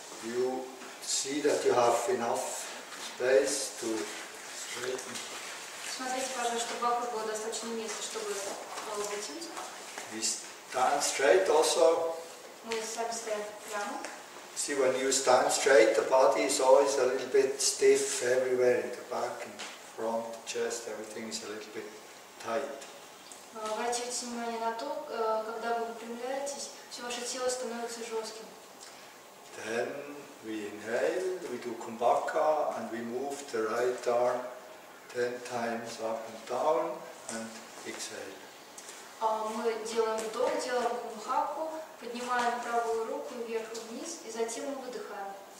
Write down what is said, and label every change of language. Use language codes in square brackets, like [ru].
[en] You see that you have enough space to straighten. [ru] Смотрите, пожалуйста, что вокруг было достаточно места, чтобы было вытянуть. [en] We stand straight also. [ru] Мы сами стоим прямо. [en] See, when you stand straight, the body is always a little bit stiff everywhere in the back, in front, chest, everything is a little bit tight. [ru] Обратите внимание на то, когда вы выпрямляетесь, все ваше тело становится жестким. [en] Then we inhale, we do kumbhaka, and we move the right arm 10 times up and down, and exhale. [ru] Мы делаем вдох, делаем кумхаку, поднимаем правую руку вверх и вниз, и затем мы выдыхаем.